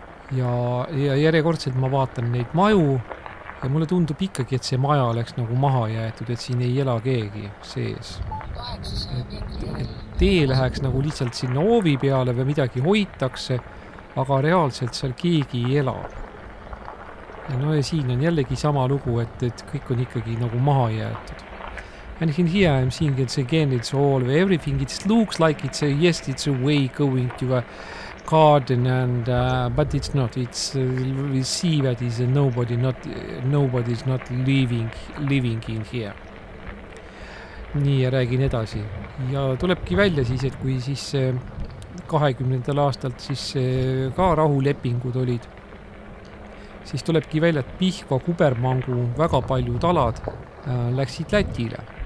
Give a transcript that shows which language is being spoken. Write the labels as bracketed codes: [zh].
[et] Ja järjekordselt ma vaatan neid maju ja mulle tundub ikkagi, et see maja oleks nagu maha jäetud, et siin ei ela keegi sees. Et tee läheks nagu lihtsalt sinna oovi peale või midagi hoitakse, aga reaalselt seal keegi ei ela. Ja no ja siin on jällegi sama lugu, et kõik on ikkagi nagu maha jäetud. [en] And in here I'm seeing it's again, it's all of everything, it looks like it's a, yes, it's a way going to a garden and but it's not, it's we see that is nobody's not living in here. [et] Nii ja räägin edasi ja tulebki välja siis, et kui siis 20. aastalt siis ka rahulepingud olid, siis tulebki välja, et Pihkva, Kubermangu väga paljud alad läksid Lätile.